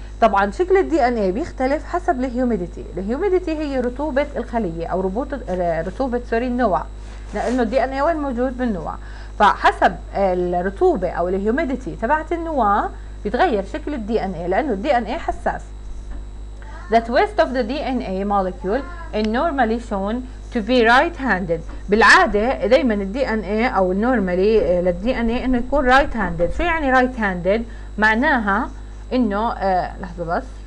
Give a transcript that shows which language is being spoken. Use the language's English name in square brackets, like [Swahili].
[Arabic] طبعا شكل ال DNA بيختلف حسب ال humidity. ال humidity هي رطوبة الخلية او رطوبة سوري النوع، لانه ال DNA وين موجود؟ بالنوع. فحسب الرطوبة او ال humidity تبعت النوع بيتغير شكل ال DNA، لانه ال DNA حساس. [English] The twist of the DNA molecule is normally shown to be right-handed. [Arabic] بالعادة دايماً الـ DNA أو normally للـ DNA إنه يكون right-handed. شو يعني right-handed؟ معناها إنه لحظة بس.